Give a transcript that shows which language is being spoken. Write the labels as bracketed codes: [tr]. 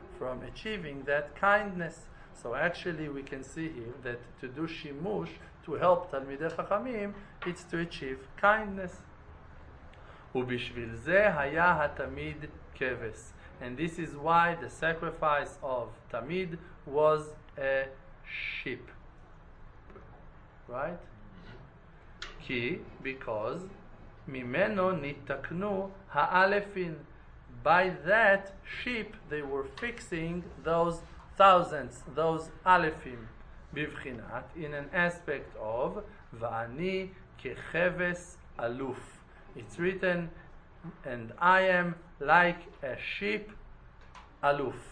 [en] from achieving that kindness. So actually we can see here that to do shimush, to help Talmidei Chachamim, it's to achieve kindness. [he] ובשביל זה היה התמיד כבש. [en] And this is why the sacrifice of Tamid was a sheep. Right? [he] כי, because, ממנו נתקנו האלפין. [en] By that sheep, they were fixing those thousands, those alephim, בבחינת, in an aspect of, [he] ואני כחבס אלוף. [en] It's written, and I am like a sheep, aluf.